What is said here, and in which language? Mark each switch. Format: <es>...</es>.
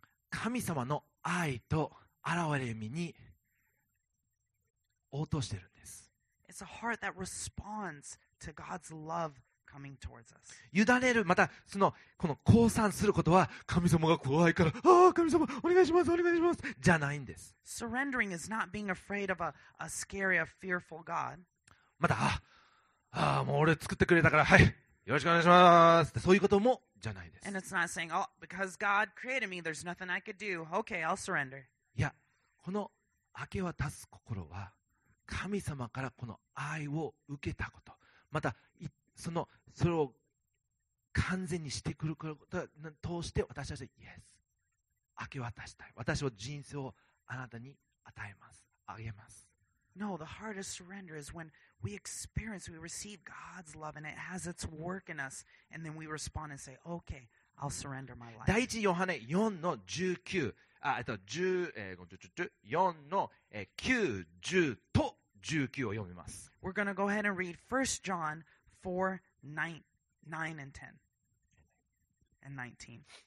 <ja>神様の愛と現れみに応答してるんです。</ja> <en>It's a heart that responds to God's love coming towards us.</en> <ja>委ねる、またそのこの降参することは、神様が怖いから、神様お願いしますお願いしますじゃないんです。</ja> <en>Surrendering is not being afraid of a scary, a fearful God.</en> <ja>また、もう俺作ってくれたから、はい、よろしくお願いしますそういうこともじゃないです。</ja> <en>And it's not saying, oh, because God created me, there's nothing I could do. Okay, I'll surrender.</en> <ja>いや、この明け渡す心は、神様からこの愛を受けたこと、またそれを完全にしてくることを通して、私たちはイエス、明け渡したい、私は人生をあなたに与えます、あげます。</ja> <en>No, the heart of surrender is when we experience, we receive God's love and it has its work in us, and then we respond and say, okay, I'll surrender my life.</en> <ja>第一ヨハネ4の194-9-10-19を読みます。</ja> <en>We're gonna go ahead and read 1 John 4:9-10.</en>